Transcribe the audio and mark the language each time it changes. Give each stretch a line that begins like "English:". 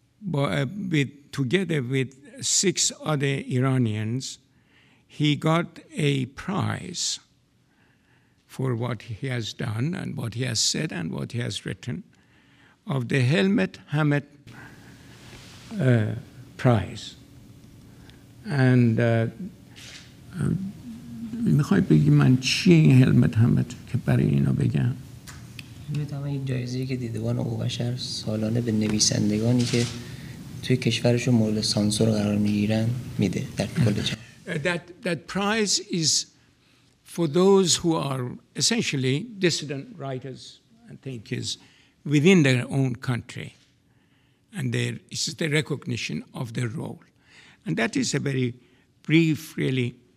English: together with six other Iranians, he got a prize for what he has done and what he has said and what he has written of the Helmut Hammett Prize.
Persian: And میخوای بگی من چی این هلمت همت که برای اینا بگم؟ هلمت همت یک جایزه که دیدبان حقوق بشر سالانه به نویسندگانی که توی کشورشون مورد سانسور قرار میگیرن میده در کل جهان.
English: That prize is for those who are essentially dissident writers and thinkers within their own country. And it's the recognition of their role. And that is a very brief, really.